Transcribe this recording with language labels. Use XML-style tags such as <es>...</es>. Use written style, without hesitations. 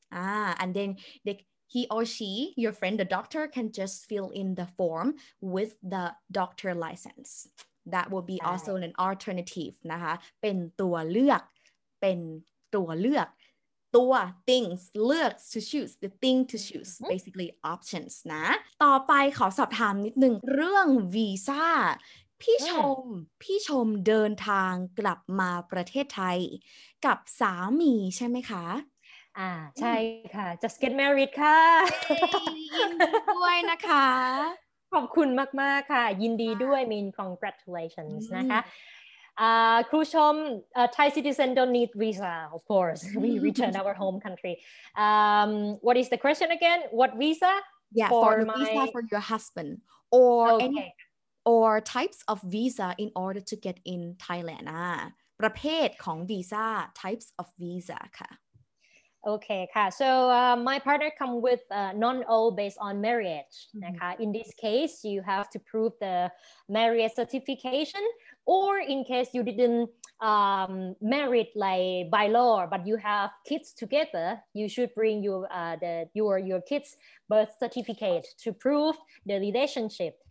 <en>And then he or she, your friend, the doctor, can just fill in the form with the doctor license. That will be also an alternative. นะคะ</en> <th>เป็นตัวเลือก เป็นตัวเลือก</th> <en>ตัว things, เลือก to choose, the thing to choose, basically options.</en> <th>นะ ต่อไปขอสอบถามนิดนึงเรื่องวีซ่าพี่ชมพี่ชมเดินทางกลับมาประเทศไทยกับสามีใช่ไหมคะ ใช่ค่ะ</th> <en>just get married</en> <th>ค่ะ ยินดีด้วยนะคะ ขอบคุณมากๆค่ะยินดีด้วย</th> <en>mean congratulations นะคะครูชม Thai citizen don't need visa of course we return our home country what is the question again what visa yeah for visa for your husband or anyOr types of visa in order to get in Thailand.</en> <th>ประเภทของ</th> <en>visa, types of visa. Okay, ka. So my partner come with non-O based on marriage. Mm-hmm. In this case, you have to prove the marriage certification. Or in case you didn't marry like by law, but you have kids together, you should bring your kids' birth certificate to prove the relationship.</en>